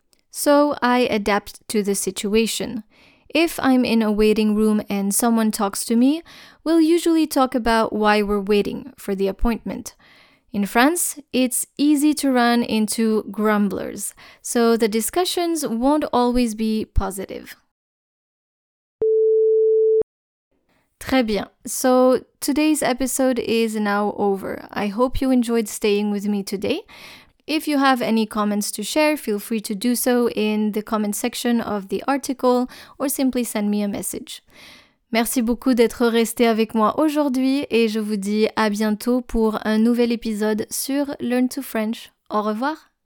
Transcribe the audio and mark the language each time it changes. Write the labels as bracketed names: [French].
[English] So I adapt to the situation. If I'm in a waiting room and someone talks to me, we'll usually talk about why we're waiting for the appointment. In France, it's easy to run into grumblers, so the discussions won't always be positive. [French] Très bien. [English] So today's episode is now over. I hope you enjoyed staying with me today. If you have any comments to share, feel free to do so in the comment section of the article or simply send me a message. [French] Merci beaucoup d'être resté avec moi aujourd'hui et je vous dis à bientôt pour un nouvel épisode sur Learn to French. Au revoir!